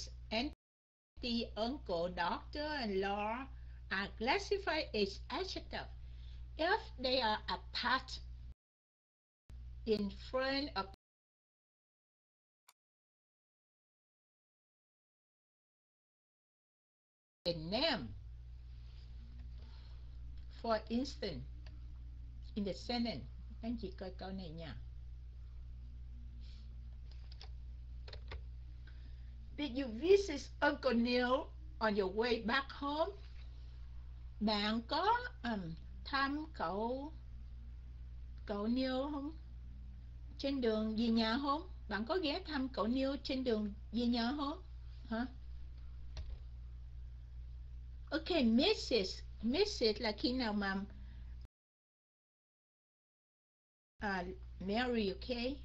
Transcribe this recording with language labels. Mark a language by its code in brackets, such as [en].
[en] Auntie, uncle, doctor and lawyer are classified as adjectives if they are apart in front of a name. For instance, in the sentence, [vi] anh chị coi câu này nha. [en] Did you visit Uncle Neil on your way back home? [vi] Bạn có thăm cậu cậu Neil không? Trên đường về nhà không? Bạn có ghé thăm cậu Neil trên đường về nhà không? Hả? Ok, Mrs. Mrs. là khi nào mà Mary, ok?